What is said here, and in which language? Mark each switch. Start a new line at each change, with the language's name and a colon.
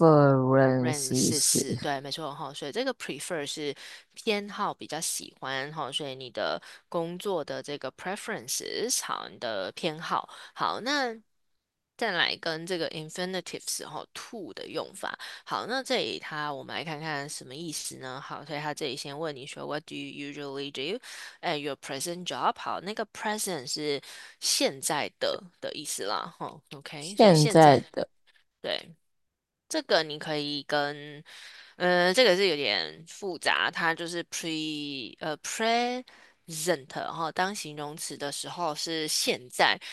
Chinese: preferences，对，没错哈，所以这个 prefer 是偏好，比较喜欢哈，所以你的工作的这个 preferences，好，你的偏好，好，那。再来跟这个 infinitives 哈 to 的用法，好，那这里它我们来看看什么意思呢？好，所以它这里先问你说
English: What do you usually do at your present job？
Chinese: 好，那个 present 是现在的意思啦，哈，OK，所以现现在在的。对这个你可以跟这个是有点复杂，它就是 pre 呃 pre。 rent 哈，当形容词的时候是现在。